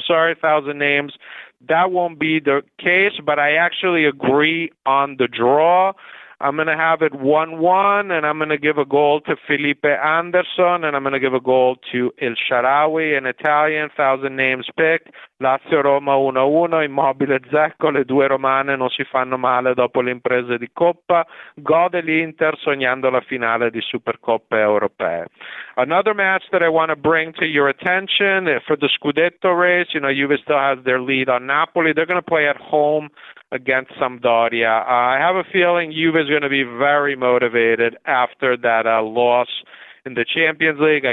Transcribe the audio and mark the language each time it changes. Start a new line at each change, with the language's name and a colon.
English: Sorry, Thousand Names, that won't be the case, but I actually agree on the draw. I'm going to have it 1-1, and I'm going to give a goal to Felipe Anderson, and I'm going to give a goal to El Sharawi, an Italian, 1,000 names picked.
Italian: Lazio Roma 1-1, Immobile Zecco, le due romane non si fanno male dopo l'impresa di Coppa. Gode l'Inter sognando la finale di Supercoppa Europea.
English: Another match that I want to bring to your attention for the Scudetto race, you know, Juve still has their lead on Napoli. They're going to play at home against Sampdoria. I have a feeling Juve is going to be very motivated after that loss in the Champions League.